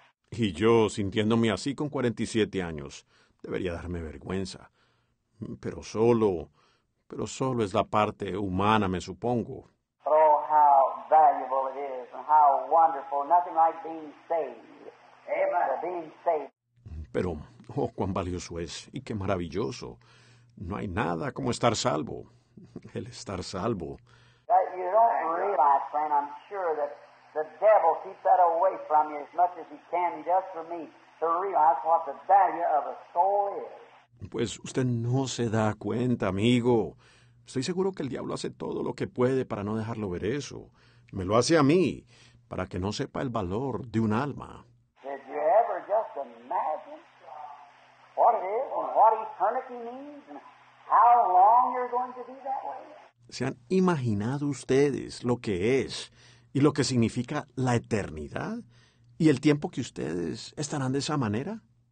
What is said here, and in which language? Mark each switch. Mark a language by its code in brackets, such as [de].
[es] Y yo, sintiéndome así con 47 años, debería darme vergüenza. Pero solo es la parte humana, me supongo. [en] Oh, how valuable it is, and how wonderful. Nothing like being saved. Amen. Being saved. [es] Pero, oh, cuán valioso es, y qué maravilloso. No hay nada como estar salvo. El estar salvo. [en] You don't realize, friend, I'm sure that the devil keeps that away from you as much as he can just for me to realize what the value of a soul is. [es] Pues usted no se da cuenta, amigo. Estoy seguro que el diablo hace todo lo que puede para no dejarlo ver eso. Me lo hace a mí, para que no sepa el valor de un alma. [en] Did you ever just imagine what it is and what eternity means and how long you're going to be that way? [es] ¿Se han imaginado ustedes lo que es y lo que significa la eternidad y el tiempo que ustedes estarán de esa manera?